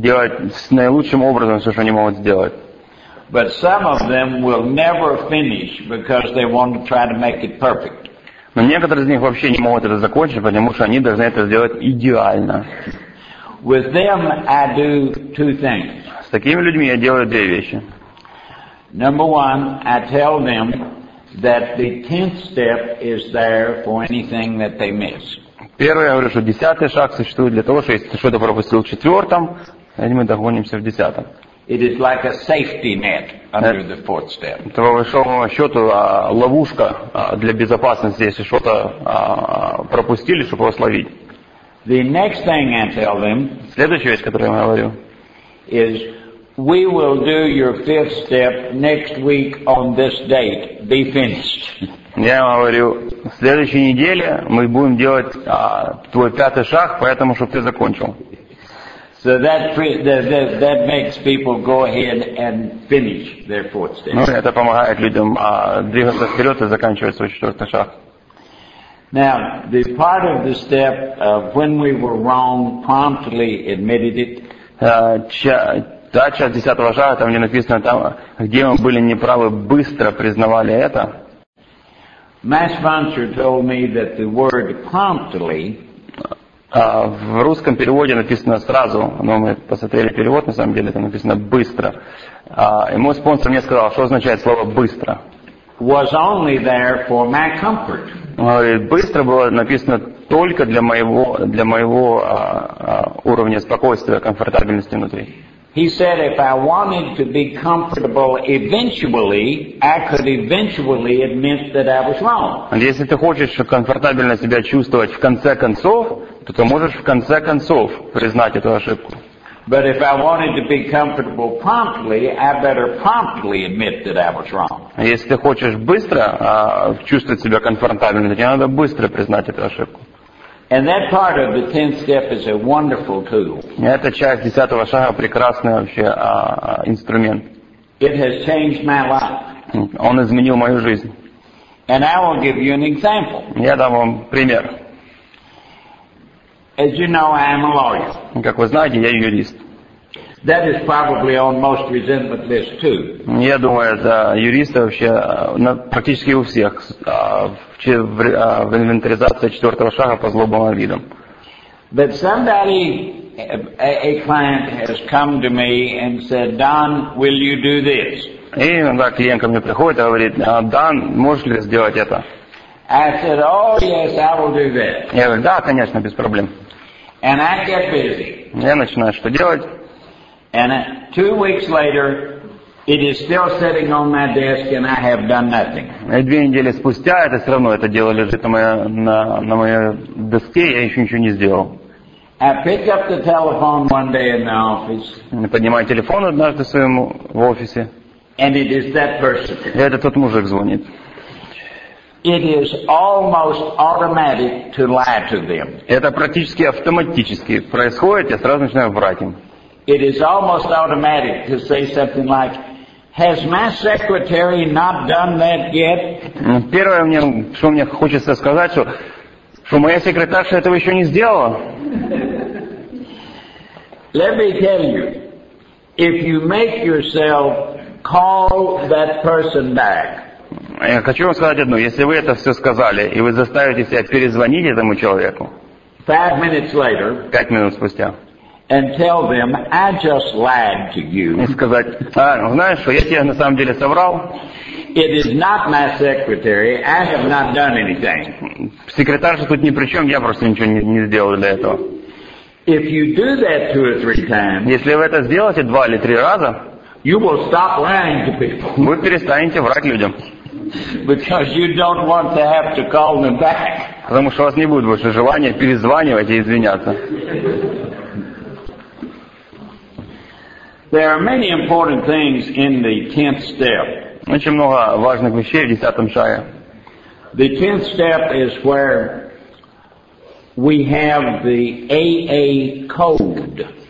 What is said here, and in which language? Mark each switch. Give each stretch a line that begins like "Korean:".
Russian: Делать с наилучшим образом все, что они могут сделать.
English: But some of them will never finish because they want to try to make it perfect.
Russian: Но некоторые из них вообще не могут это закончить, потому что они должны это сделать идеально.
English: With them I do two things.
Russian: С такими людьми я делаю две вещи.
English: Number one, I tell them that the tenth step is there for anything that they miss.
Russian: Первое, я говорю, что десятый шаг существует для того, что если ты что-то пропустил в четвертом, и мы догонимся в десятом.
English: It is like a safety net under the fourth step.
Russian: Это, по большому счету, ловушка для безопасности, если что-то пропустили, чтобы его словить.
English: The next thing I tell them,
Russian: следующая вещь, которую я говорю,
English: is we will do your fifth step next week on this date. Be finished.
Russian: Я говорю, в следующей неделе мы будем делать твой пятый шаг, поэтому чтобы ты закончил.
English: So that makes people go ahead and finish their fourth step.
Russian: Ну, это помогает людям двигаться вперед и заканчивать свой четвертый шаг.
English: Now, the part of the step of when we were wrong, promptly admitted it.
Russian: Та часть 10-го шага, там не написано, там, где мы были неправы, быстро признавали это.
English: Masvancher told me that the word promptly,
Russian: в русском переводе написано сразу, но мы посмотрели перевод, на самом деле там написано быстро. И мой спонсор мне сказал, что означает слово быстро.
English: Was only there for my comfort.
Russian: Быстро было написано только для моего уровня спокойствия, комфортабельности внутри.
English: He said if I wanted to be comfortable eventually, I could eventually admit that I was wrong.
Russian: Если ты хочешь комфортабельно себя чувствовать в конце концов, то ты можешь в конце концов признать эту ошибку.
English: But if I wanted to be comfortable promptly, I better promptly admit that I was wrong.
Russian: Если ты хочешь быстро чувствовать себя комфортабельно, то тебе надо быстро признать эту ошибку.
English: And that part of the 10th step is a wonderful tool.
Russian: Эта часть 10-го шага прекрасный вообще инструмент.
English: It has changed my life.
Russian: Он изменил мою жизнь.
English: And I will give you an example.
Russian: Я дам вам пример.
English: As you know, I am a lawyer.
Russian: Как вы знаете, я юрист.
English: That is probably on most resentment lists too.
Russian: Я думаю, это юристы вообще практически у всех в инвентаризации 4-го шага по злобным обидам.
English: But somebody, a client has come to me and said, Don, will you do this?
Russian: И иногда клиент ко мне приходит и говорит, Дан, можешь ли сделать это?
English: I said, oh yes, I will do that.
Russian: Я говорю, да, конечно, без проблем.
English: And I get busy.
Russian: Я начинаю что делать?
English: And 2 weeks later, it is still sitting on my desk, and I have done nothing.
Russian: И 2 недели спустя это все равно это дело лежит на моей доске, я еще ничего не сделал.
English: I pick up the telephone one day in the office.
Russian: Поднимаю телефон однажды своему в офисе.
English: And it is that person.
Russian: И это тот мужик звонит.
English: It is almost automatic to lie to them.
Russian: Это практически автоматически происходит, я сразу начинаю врать им.
English: It is almost automatic to say something like, "Has my secretary not done that yet?"
Russian: Первое мне, что мне хочется сказать, что моя секретарша этого еще не сделала.
English: Let me tell you, if you make yourself call that person back.
Russian: Я хочу вам сказать одно: если вы это все сказали и вы заставите себя перезвонить этому человеку.
English: 5 minutes later.
Russian: 5 минут спустя.
English: And tell them I just lied to you.
Russian: И сказать, знаешь, что я тебе на самом деле соврал.
English: It is not my secretary. I have not done anything.
Russian: Секретарша тут ни при чем, я просто ничего не сделал для этого.
English: If you do that 2 or 3 times.
Russian: Если вы это сделаете 2 или 3 раза.
English: You will stop lying to people.
Russian: Вы перестанете врать людям.
English: Because you don't want to have to call them back.
Russian: Потому что у вас не будет больше желания перезванивать и извиняться.
English: There are many important things in the 10th step.
Russian: Очень много важных вещей в 10-м шаге.
English: The 10th step is where we have the AA code.